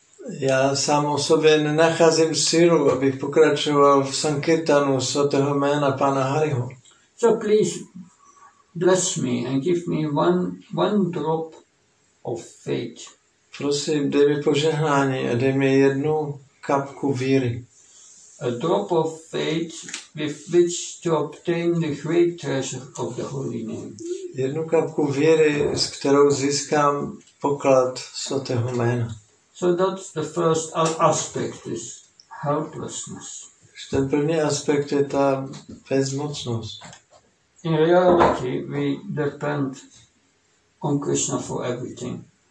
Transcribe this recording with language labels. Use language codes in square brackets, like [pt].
[cs] Já sám o sobě nenacházím sílu, abych pokračoval v sankirtanu svatého jména Pána Hariho. [en] So please bless me and give me one drop of faith. [cs] Prosím, dej mi požehnání a dej mi jednu kapku víry. [en] A drop of faith with which to obtain the great treasure of the holy name. [cs] Jednu kapku víry, s kterou získám poklad svatého jména. [en] So that's the first aspect, is helplessness. [cs] Ten první aspekt je ta bezmocnost. [en] In reality, we depend on Krishna for everything.